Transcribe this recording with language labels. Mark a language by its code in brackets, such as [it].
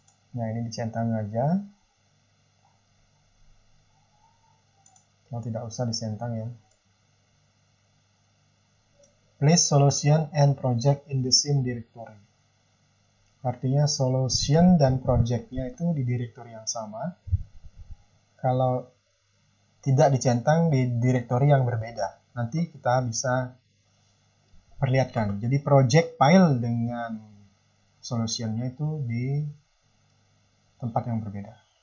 [id] Nah, ini dicentang aja. Kalau tidak usah disentang ya. [en] Place solution and project in the same directory. [id] Artinya solution dan projectnya itu di directory yang sama. Kalau tidak dicentang di directory yang berbeda. Nanti kita bisa perlihatkan. Jadi project file dengan solutionnya itu di tempat yang berbeda.